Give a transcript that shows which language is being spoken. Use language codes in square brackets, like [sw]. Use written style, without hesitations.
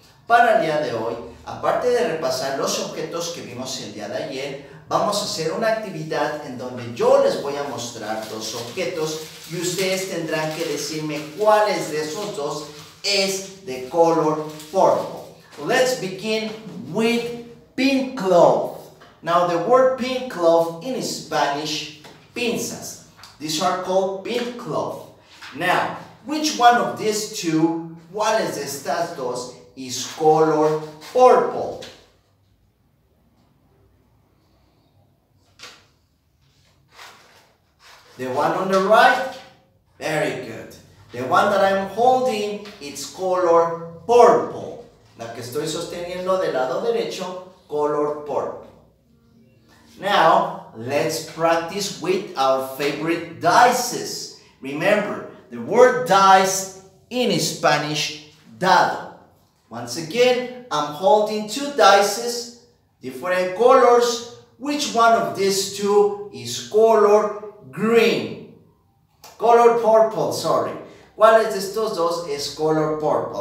[es] Para el día de hoy, aparte de repasar los objetos que vimos el día de ayer, vamos a hacer una actividad en donde yo les voy a mostrar dos objetos y ustedes tendrán que decirme cuáles de esos dos es de color purple. [en] Let's begin with pink cloth. Now the word pink cloth in Spanish, pinzas. These are called pink cloth. Now, which one of these two, [es] cuáles de estas dos, [en] is color purple? The one on the right? Very good. The one that I'm holding, it's color purple. [es] La que estoy sosteniendo del lado derecho, color purple. [en] Now, let's practice with our favorite dices. Remember, the word dice in Spanish, dado. Once again, I'm holding two dices, different colors. Which one of these two is color green? Color purple, sorry. [es] ¿Cuál es de estos dos es color purple?